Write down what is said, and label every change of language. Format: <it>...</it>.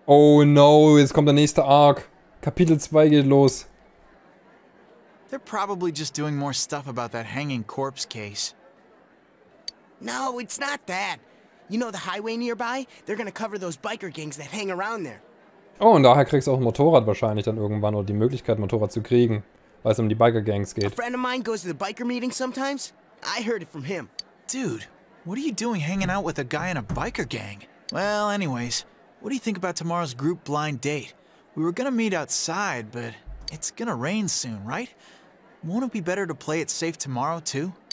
<de>Oh no, jetzt kommt der nächste Arc. Kapitel 2 geht los.</de> <en>They're probably just doing more stuff about that hanging corpse case. No, it's not that. You know the highway nearby? They're gonna cover those biker gangs that hang around there.</en> <de>Oh, und daher kriegst du auch ein Motorrad wahrscheinlich dann irgendwann oder die Möglichkeit, ein Motorrad zu kriegen, weil es um die Biker-Gangs geht.</de> <en>A friend of mine goes to the biker meeting sometimes. I heard it from him. Dude, what are you doing hanging out with a guy in a biker gang? Well, anyways, what do you think about tomorrow's group blind date? We were gonna meet outside, but it's gonna rain soon, right? Won't it be better to play it safe tomorrow, too?</en>